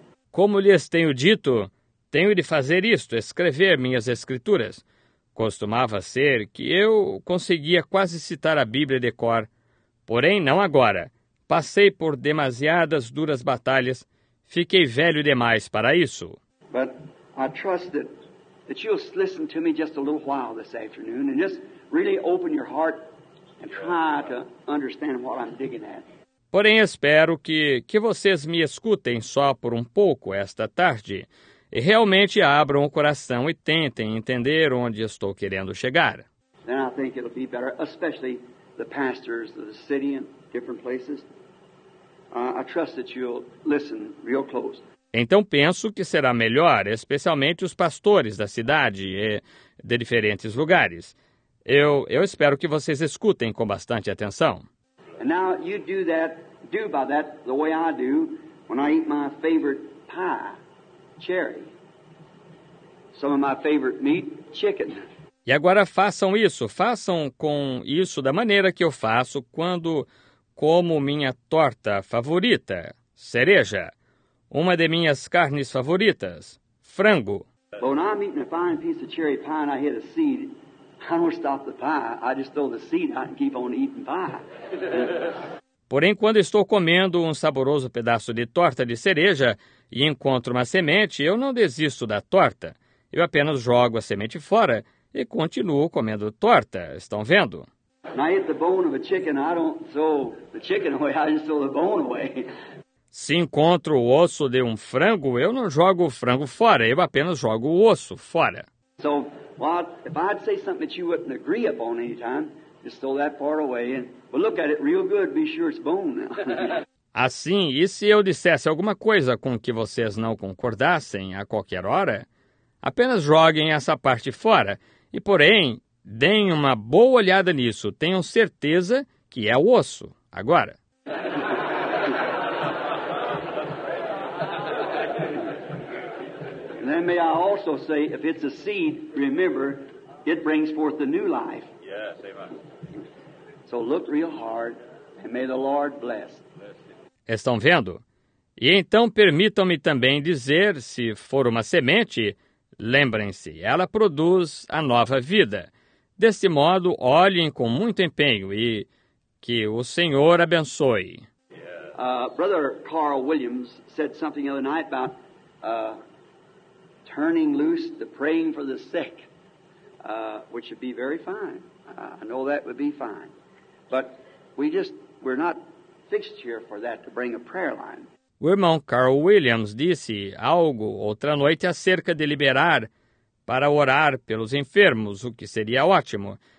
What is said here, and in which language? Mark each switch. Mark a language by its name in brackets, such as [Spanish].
[Portuguese] Como lhes tenho dito, tenho de fazer isto, escrever minhas escrituras. Costumava ser que eu conseguia quase citar a Bíblia de cor, porém não agora. Passei por demasiadas duras batalhas, fiquei velho demais para isso. [English] But I trust that you'll listen to me just a little while this afternoon and just really open your heart and try to understand what I'm digging at. [Portuguese] Porém, espero que vocês me escutem só por um pouco esta tarde e realmente abram o coração e tentem entender onde estou querendo chegar. [English] Then I think it'll be better, especially the pastors of the city and different places. I trust that you'll listen real close. [Portuguese] Então penso que será melhor, especialmente os pastores da cidade e de diferentes lugares. Eu espero que vocês escutem com bastante atenção. [English] And now you do that, do by that the way I do when I eat my favorite pie, cherry. Some of my favorite meat, chicken. [Portuguese] E agora façam com isso da maneira que eu faço quando como minha torta favorita, cereja. Uma de minhas carnes favoritas, frango. [English] Well, when I'm eating a fine piece of cherry pie and I hit a seed, I don't stop the pie. I just throw the seed out and keep on eating pie. [Portuguese] Porém, quando estou comendo um saboroso pedaço de torta de cereja e encontro uma semente, eu não desisto da torta. Eu apenas jogo a semente fora e continuo comendo torta. Estão vendo? [English] When I hit the bone of a chicken, I don't throw the chicken away. I just throw the bone away. [Portuguese] Se encontro o osso de um frango, eu não jogo o frango fora, eu apenas jogo o osso fora. [English] So, well, if I'd say something that you wouldn't agree upon any time, just throw that part away and well, look at it real good, be sure it's bone now. [Portuguese] Assim, e se eu dissesse alguma coisa com que vocês não concordassem a qualquer hora, apenas joguem essa parte fora e, porém, deem uma boa olhada nisso, tenham certeza que é o osso. Agora. [English] And may I also say, if it's a seed, remember, it brings forth the new life. Yes, amen. So look real hard, and may the Lord bless. [Portuguese] Estão vendo? E então permitam-me também dizer, se for uma semente, lembrem-se, ela produz a nova vida. Deste modo, olhem com muito empenho e que o Senhor abençoe. [English] Brother Carl Williams said something the other night about turning loose the praying for the sick, which would be very fine. I know that would be fine. But we're not fixed here for that to bring a prayer line. [Portuguese] O irmão Carl Williams disse algo outra noite acerca de liberar para orar pelos enfermos, o que seria ótimo.